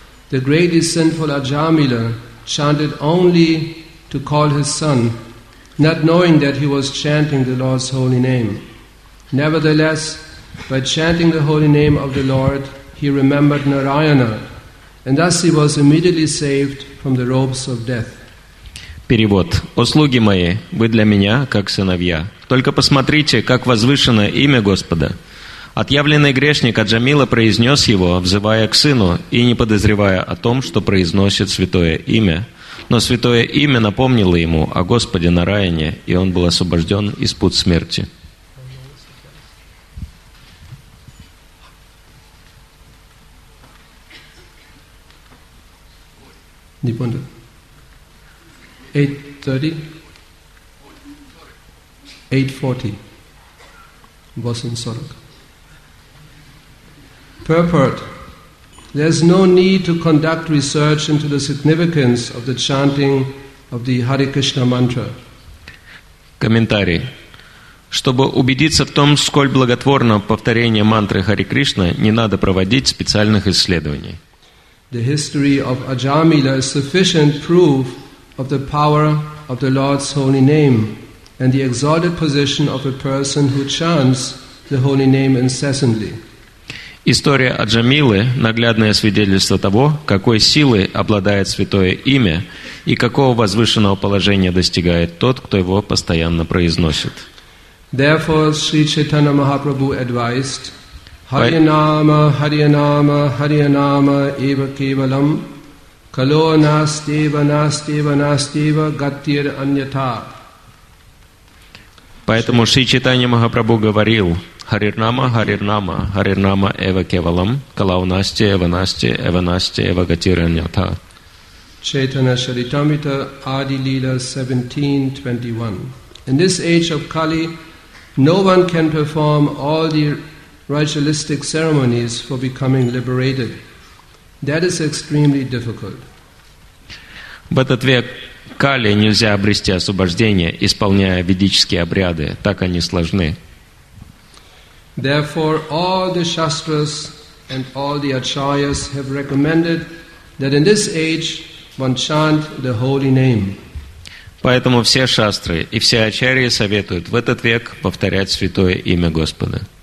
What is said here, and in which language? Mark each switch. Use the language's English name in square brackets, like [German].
[English] The greatly sinful Ajamila chanted only to call his son, not knowing that he was chanting the Lord's holy name. Nevertheless, by chanting the holy name of the Lord, he remembered Narayana, and thus he was immediately saved from the robes of death. [Russian] Перевод. «О слуги мои, вы для меня, как сыновья. Только посмотрите, как возвышено имя Господа. Отъявленный грешник Аджамила произнес его, взывая к сыну и не подозревая о том, что произносит святое имя. Но святое имя напомнило ему о Господе Нараяне, и он был освобожден из пут смерти». Не понял. 8:30, 8:40, 8:40. [English] Purport. There's no need to conduct research into the significance of the chanting of the Hare Krishna mantra. [Russian] Комментарий. Чтобы убедиться в том, сколь благотворно повторение мантры Хари Кришна, не надо проводить специальных исследований. [English] The history of Ajamila is sufficient proof of the power of the Lord's holy name and the exalted position of a person who chants the holy name incessantly. [Russian] История Аджамилы – наглядное свидетельство того, какой силой обладает святое имя и какого возвышенного положения достигает тот, кто его постоянно произносит. [English] Therefore, Sri Chaitanya Mahaprabhu advised [Sanskrit] Hariyanama, Hariyanama, Hariyanama, Eva Kevalam, Kalo Nasteva, Nasteva, Nasteva, Gatir Anyata. [Russian] Поэтому Шри Чайтанья Махапрабху говорил [Sanskrit] Харирнама, Харирнама, Харирнама, Эва Кевалам, Калау Насте, Эва Насте, Эва Насте, Эва Гатир Анята. [Russian] Чайтанья Шаритамита, Ади Лила, 17:21. [English] In this age of Kali, no one can perform all the ritualistic ceremonies for becoming liberated. That is extremely difficult. [Russian] В этот век Кали нельзя обрести освобождение, исполняя ведические обряды. Так они сложны. [English] Therefore, all the Shastras and all the Acharyas have recommended that in this age one chant the holy name. [Russian] Поэтому все Шастры и все Ачарьи советуют в этот век повторять святое имя Господа.